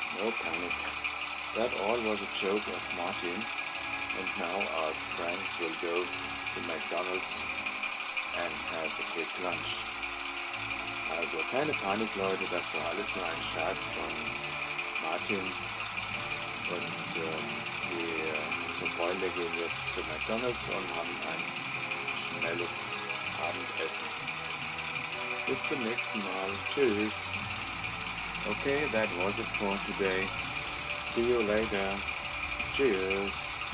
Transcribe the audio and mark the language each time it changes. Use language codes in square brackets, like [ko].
[en] That all was a joke of Martin, and now our friends will go to McDonald's and have a quick lunch. [de] Also keine Panik, Leute, das war alles nur ein Scherz von Martin. Und unsere Freunde gehen jetzt zu McDonald's und haben ein schnelles Abendessen. Bis zum nächsten Mal. Tschüss. [en] Okay, that was it for today. See you later. Cheers.